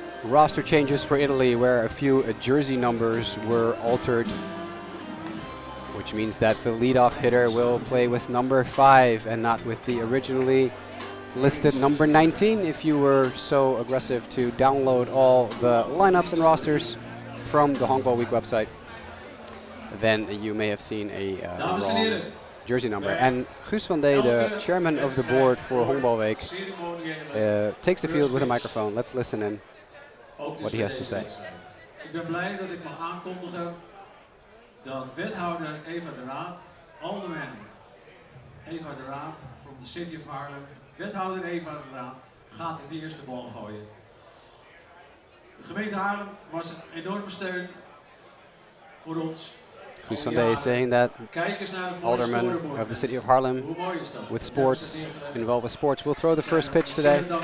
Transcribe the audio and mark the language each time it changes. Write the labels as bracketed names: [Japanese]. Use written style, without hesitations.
[English] roster changes for Italy, where a few jersey numbers were altered, which means that the leadoff hitter will play with number 5 and not with the originally listed number 19, if you were so aggressive to download all the lineups and rosters from the Honkbalweek website, then you may have seen a wrong jersey number. And Guus van Dee, the chairman of the board for Honkbalweek, takes the field with a microphone. Let's listen in what he has to say. [Dutch] Ik ben blij dat ik mag aankondigen dat wethouder Eva de Raad, [English] alderman Eva de Raad from the City of Haarlem, [Dutch] wethouder Eva de Raad gaat de eerste bal gooien. De gemeente Haarlem was een enorme steun voor ons. [English] Guus van Dee saying that alderman of the City of Haarlem with sports, involved with sports, will throw the first pitch today.